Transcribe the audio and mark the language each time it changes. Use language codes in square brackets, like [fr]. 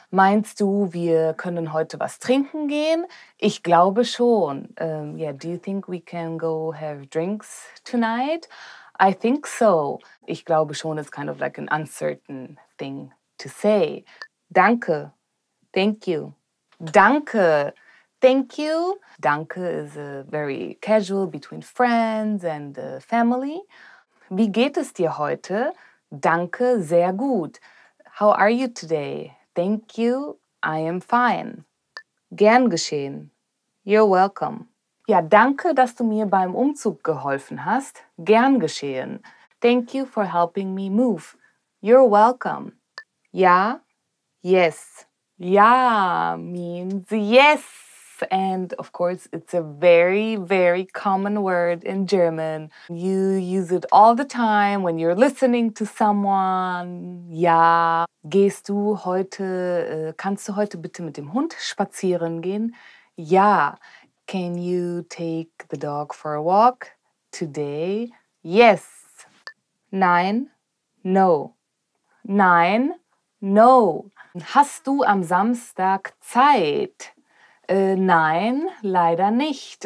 [de] Meinst du, wir können heute was trinken gehen? Ich glaube schon. [en] Do you think we can go have drinks tonight? I think so. Ich glaube schon is kind of like an uncertain thing to say. Danke. Thank you. Danke. Thank you. Danke is very casual between friends and family. [de] Wie geht es dir heute? Danke, sehr gut. [en] How are you today? Thank you. I am fine. [de] Gern geschehen. [en] You're welcome. [de] Ja, danke, dass du mir beim Umzug geholfen hast. Gern geschehen. [en] Thank you for helping me move. You're welcome. [de] Ja. [en] Yes. Ja means yes. And of course, it's a very, very common word in German. You use it all the time when you're listening to someone. [de] Ja, gehst du heute, kannst du heute bitte mit dem Hund spazieren gehen? [en] Ja, can you take the dog for a walk today? Yes. [de] Nein, [en] no. [de] Nein, no. Hast du am Samstag Zeit? Nein, leider nicht.